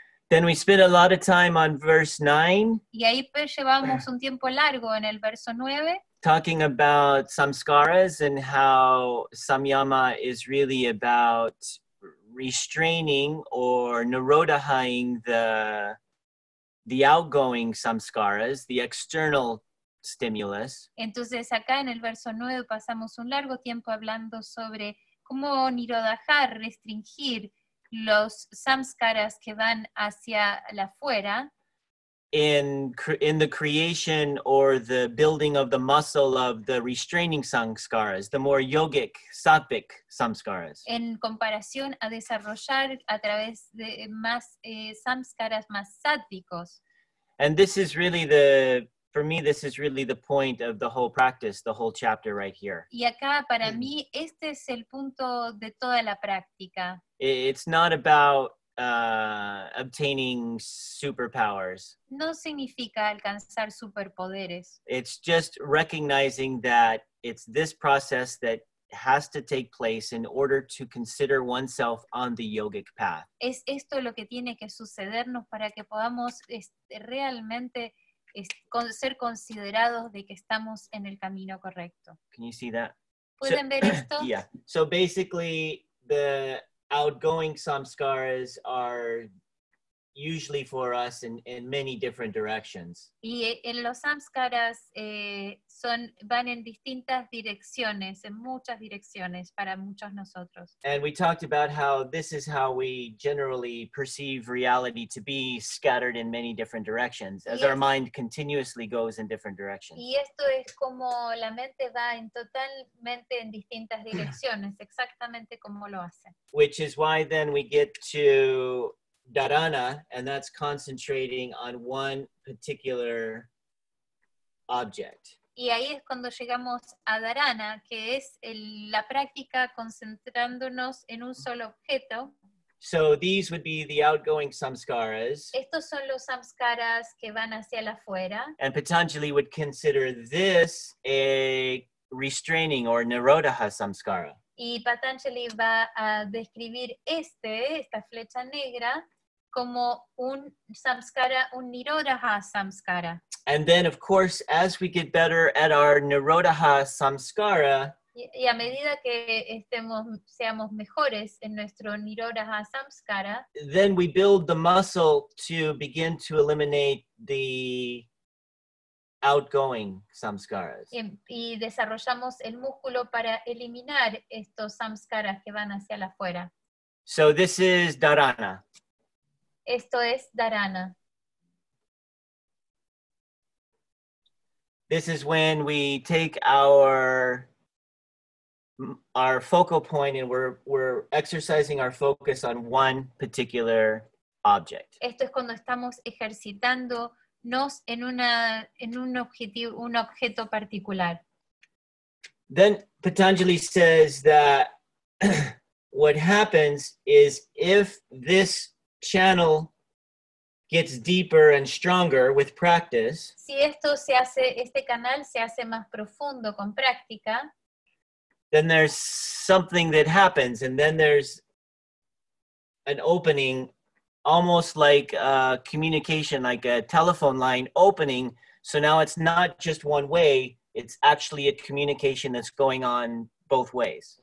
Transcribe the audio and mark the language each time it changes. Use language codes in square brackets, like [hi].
[en] Then we spend a lot of time on verse 9. [es] Y ahí pues llevamos un tiempo largo en el verso 9. [en] Talking about samskaras and how samyama is really about restraining or nirodhaing the outgoing samskaras, the external stimulus. [es] Entonces acá en el verso 9 pasamos un largo tiempo hablando sobre cómo nirodhajar, restringir los samskaras que van hacia la fuera. [en] In the creation or the building of the muscle of the restraining samskaras, the more yogic, sattvic samskaras. [es] En comparación a desarrollar a través de más samskaras más sattvicos. [en] And this is really the, for me, this is really the point of the whole practice, the whole chapter right here. [es] Y acá para mí este es el punto de toda la práctica. [en] It's not about obtaining superpowers. [es] No significa alcanzar superpoderes. [en] It's just recognizing that it's this process that has to take place in order to consider oneself on the yogic path. [es] Es esto lo que tiene que sucedernos para que podamos realmente ser considerados de que estamos en el camino correcto. [en] Can you see that? [es] ¿Pueden ver esto? [en] Yeah. So basically, the outgoing samskaras are usually for us in many different directions. [es] Y en los samskaras van en distintas direcciones, en muchas direcciones para muchos nosotros. [en] And we talked about how this is how we generally perceive reality to be scattered in many different directions, as our mind continuously goes in different directions. [es] Y esto es como la mente va en totalmente en distintas direcciones, exactamente como lo hace. [en] Which is why then we get to dharana, and that's concentrating on one particular object. [es] Y ahí es cuando llegamos a dharana, que es la práctica concentrándonos en un solo objeto. [en] So these would be the outgoing samskaras. [es] Estos son los samskaras que van hacia la fuera. [en] And Patanjali would consider this a restraining or nirodha samskara. [es] Y Patanjali va a describir esta flecha negra, como un samskara, un nirodha samskara. [en] And then, of course, as we get better at our nirodha samskara, [es] y a medida que seamos mejores en nuestro nirodha samskara, [en] then we build the muscle to begin to eliminate the outgoing samskaras. [es] Y desarrollamos el músculo para eliminar estos samskaras que van hacia la fuera. [en] So this is dharana. [es] Esto es dharana. [en] This is when we take our focal point and we're exercising our focus on one particular object. [es] Esto es cuando estamos ejercitándonos un objeto particular. [en] Then Patanjali says that what happens is if this channel gets deeper and stronger with practice. [es] Si esto se hace, este canal se hace más profundo con práctica. [en] Then there's something that happens, and then there's an opening, almost like a communication, like a telephone line opening. So now it's not just one way; it's actually a communication that's going on both ways.